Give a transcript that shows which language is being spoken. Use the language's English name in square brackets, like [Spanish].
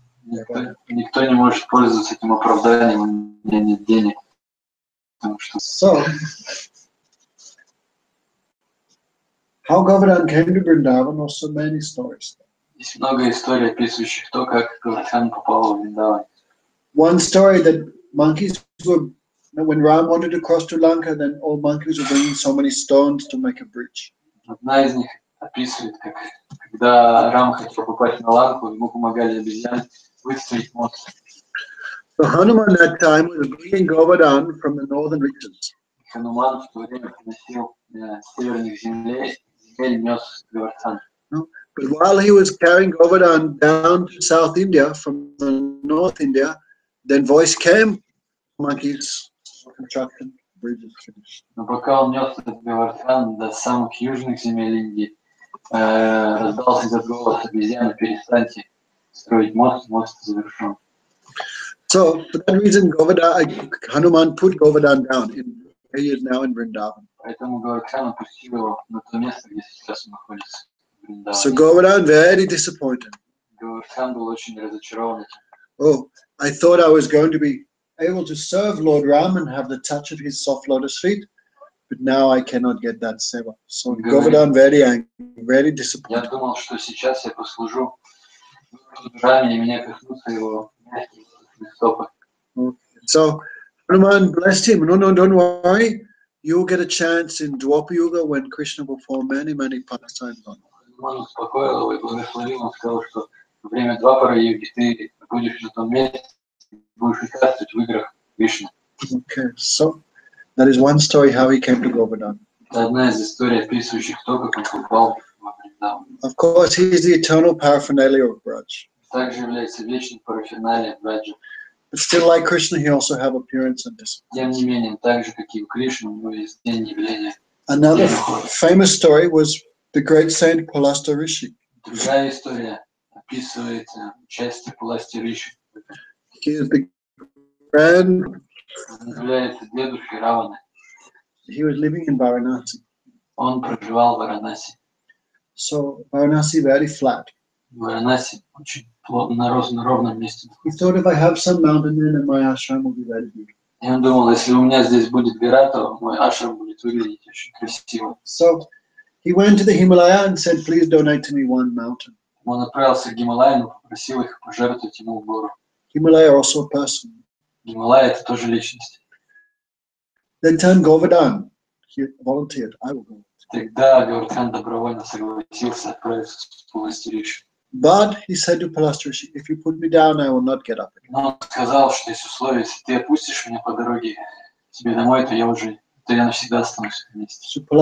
[Russian] Никто не может пользоваться этим оправданием, у меня нет денег. [English] So, how Govardhan came to Vrindavan, also many stories. [Russian] Есть много историй, описывающих то, как Govardhan попал в Вриндаван. [English] One story that monkeys were, when Ram wanted to cross to Lanka, then all monkeys were bringing so many stones to make a bridge. [Russian] Одна из них описывает, как когда Рам хотел попасть на Ланку, ему помогали обезьяны выставить мост. [English] So Hanuman that time was bringing Govardhan from the northern regions. [Russian] Хануман в то время приносил северных земель, нес Говардхан. [English] But while he was carrying Govardhan down to South India from the North India, then voice came, monkeys constructed bridges. [Russian] Но пока он нес Говардхан до самых южных земель Индии, раздался этот голос обезьяны, перестаньте строить мост, мост завершен. [English] So for that reason, Hanuman put Govardhan down. He is now in Vrindavan. [Russian] Поэтому Говардхан опустил его на то место, где сейчас он находится. [English] So Govardhan very disappointed. [Russian] Govardhan был очень разочарован. [English] Oh, I thought I was going to be able to serve Lord Ram and have the touch of his soft lotus feet, but now I cannot get that seva. So Govardhan very angry, very disappointed. [Russian] Я думал, что сейчас я послужу Раме, и меня коснутся его стопы. [English] So Hanuman blessed him. No, don't worry. You'll get a chance in Dwapara Yuga when Krishna will perform many, many pastimes on. [Russian] Он успокоил его и благословил, он сказал, что во время Двапара Юги ты будешь на том месте, будешь участвовать в играх Вишны. [English] Okay, so that is one story how he came to Govardhan. [Russian] Это одна из историй, описывающих то, как он попал в Вриндаван. [English] Of course, he is the eternal paraphernalia of Braj. [Russian] Также является вечным парафиналием Браджа. [English] But still, like Krishna, he also have appearance and disappearance. [Russian] Тем не менее, так же, как и у Кришны, у него есть день явления. [English] Another famous story was the great saint Pulastya Rishi. [Russian] Другая история описывает участие Пулястья Риши. [English] He is the grand. [Russian] Является дедушкой Раваны. [English] He was living in Varanasi. [Russian] Он проживал в Варанаси. [English] So Varanasi very flat. [Russian] Варанаси очень плотно, на ровном месте. [English] He thought if I have some mountain then my ashram will be very big. [Russian] И он думал, если у меня здесь будет гора, то мой ашрам будет выглядеть очень красиво. [English] So he went to the Himalaya and said, please donate to me one mountain. [Russian] Он отправился в Гималаю, но попросил их пожертвовать ему гору. [English] Himalaya also a person. [Russian] Гималая это тоже личность. [English] Then turned Govardhan. He volunteered. I will go. [Russian] Тогда Говардхан добровольно согласился отправиться в Пулястья Риши. [English] But he said to Pulastya Rishi, if you put me down, I will not get up again. [Russian] Но он сказал, что есть условие, если ты опустишь меня по дороге тебе домой, то я уже, то я навсегда останусь вместе.